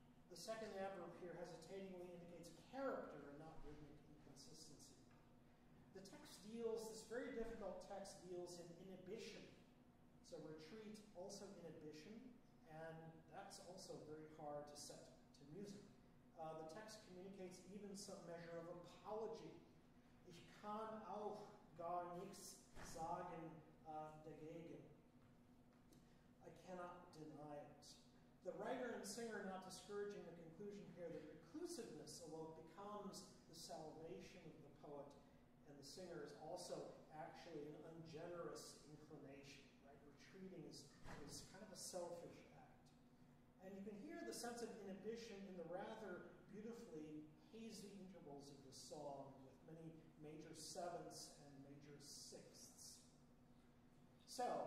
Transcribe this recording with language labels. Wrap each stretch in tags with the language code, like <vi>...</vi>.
<en>The second adverb here, hesitatingly, indicates character and not rhythmic inconsistency. The text deals, this very difficult text deals in inhibition. So retreat, also inhibition, and that's also very hard to set to music. The text communicates even some measure of apology.</en> <de>"Ich kann auch gar nichts sagen dagegen."</de> <en>I cannot deny it. The writer and singer not discouraging the conclusion here that reclusiveness, although it becomes the salvation of the poet and the singer, is also actually an ungenerous inclination. Retreating is kind of a selfish act. And you can hear the sense of inhibition in the rather beautifully hazy intervals of the song, with many major sevenths and major sixths. So,</en>